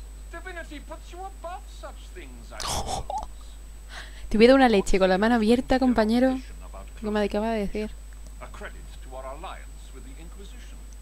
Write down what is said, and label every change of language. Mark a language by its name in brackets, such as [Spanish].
[English] Divinity puts you above such things, I suppose. [Spanish] Te hubiera una leche con la mano abierta, compañero. ¿Qué me acaba de decir? [English] A credit to our alliance with the Inquisition.